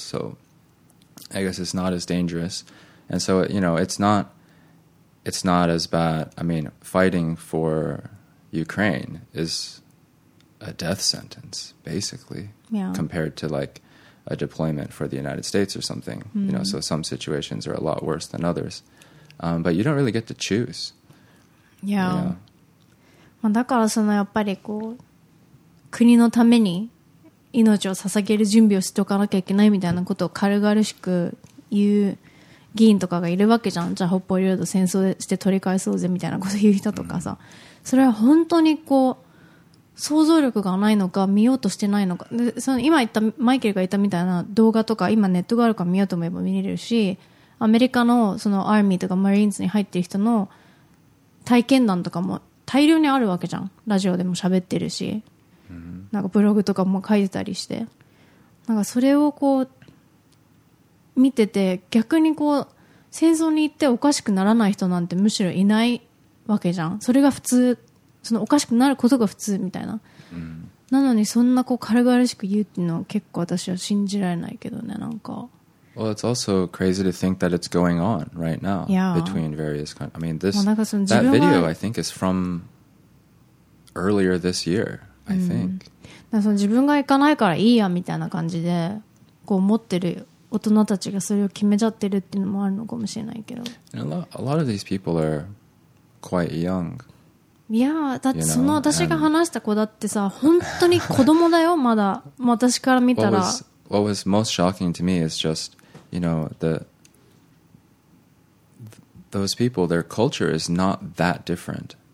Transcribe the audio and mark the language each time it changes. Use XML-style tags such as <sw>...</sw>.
<en>So I guess it's not as dangerous. And so, you know, it's not as bad. I mean, fighting for Ukraine is a death sentence, basically, compared to like a deployment for the United States or something. You know, so some situations are a lot worse than others. But you don't really get to choose. Yeah.</en> <ja>まあだからそのやっぱりこう国のために命を捧げる準備をしておかなきゃいけないみたいなことを軽々しく言う議員とかがいるわけじゃん。じゃあ北方領土戦争して取り返そうぜみたいなこと言う人とかさ、それは本当にこう想像力がないのか見ようとしてないのか。でその今言ったマイケルが言ったみたいな動画とか今ネットがあるから見ようと思えば見れるし、アメリカのそのアーミーとかマリーンズに入ってる人の体験談とかも大量にあるわけじゃん。ラジオでも喋ってるし、なんかブログとかも書いてたりして、なんかそれをこう見てて、逆にこう戦争に行っておかしくならない人なんてむしろいないわけじゃん。それが普通、そのおかしくなることが普通みたいな、なのにそんなこう軽々しく言うっていうのは結構私は信じられないけどね。なんか</ja> <en>Well, it's also crazy to think that it's going on right now between various countries. I mean, that video, I think, is from earlier this year, I think.</en> <ja>だからその自分が行かないからいいやみたいな感じで、こう持ってる大人たちがそれを決めちゃってるっていうのもあるのかもしれないけど。</ja> <en>A lot of these people are quite young.</en> <ja>Yeah, だってその私が話した子だってさ、本当に子供だよ、まだ。もう私から見たら。</ja> <en>What was most shocking to me is just, you know, the those people, their culture is not that different.</en>